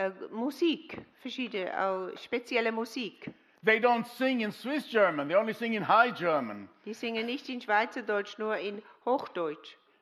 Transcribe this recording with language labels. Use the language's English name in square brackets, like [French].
[German] Musik, verschiedene, spezielle Musik. [English] They don't sing in Swiss German, they only sing in High German. [German] Die singen nicht in Schweizerdeutsch, nur in Hochdeutsch.